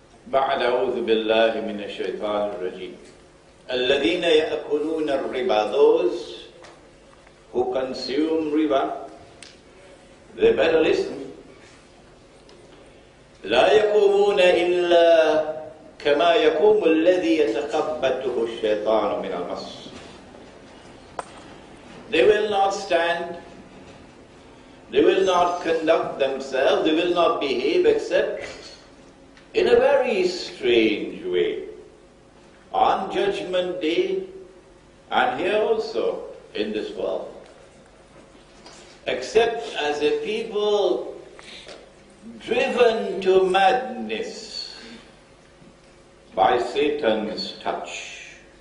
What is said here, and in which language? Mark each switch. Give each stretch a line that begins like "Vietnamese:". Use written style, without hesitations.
Arabic: بعد أعوذ بالله من الشيطان الرجيم الذين يأكلون الربا.
English: Those who consume riba, they better listen.
Arabic: لا يقومون إلا كما يقوم الذي يتقبته الشيطان من المس.
English: They will not stand, they will not conduct themselves, they will not behave except in a very strange way, on Judgment Day, and here also in this world, except as a people driven to madness by Satan's touch.